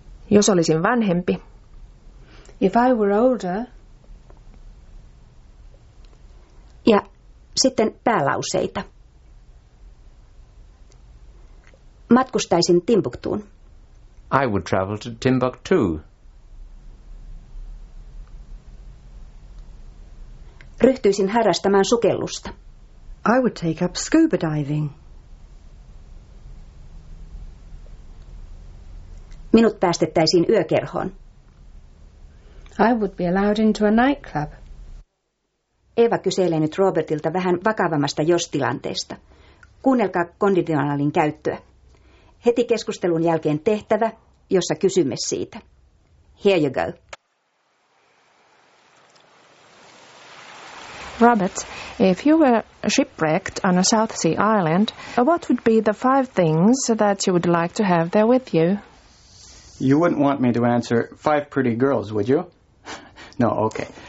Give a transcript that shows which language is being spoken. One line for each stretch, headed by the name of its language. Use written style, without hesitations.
Finnish: Jos olisin vanhempi.
English: If I were older.
Finnish: Ja sitten päälauseita. Matkustaisin Timbuktuun.
English: I would travel to Timbuktu.
Finnish: Ryhtyisin harrastamaan sukellusta.
English: I would take up scuba diving.
Finnish: Minut päästettäisiin yökerhoon.
English: I would be allowed into a nightclub.
Finnish: Eva kyselee nyt Robertilta vähän vakavammasta jos-tilanteesta. Kuunnelkaa konditionaalin käyttöä. Heti keskustelun jälkeen tehtävä, jossa kysymme siitä.
English: Here you go. Robert, if you were shipwrecked on a South Sea island, what would be the five things that you would like to have there with you? You wouldn't want me to answer five pretty girls, would you? No, okay.